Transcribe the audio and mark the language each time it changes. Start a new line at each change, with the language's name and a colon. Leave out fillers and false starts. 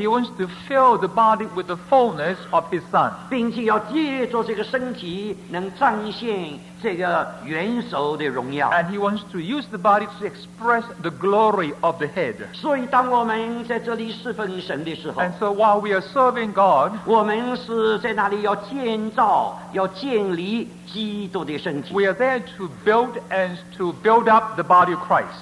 English: He wants to fill the body with the fullness of His Son.
Chinese: 并且要借着这个身体能彰显这个元首的荣耀。
English: And He wants to use the body to express the glory of the head.
Chinese: 所以当我们在这里是
English: And so while we are serving God, we are there to build and to build up the body of Christ.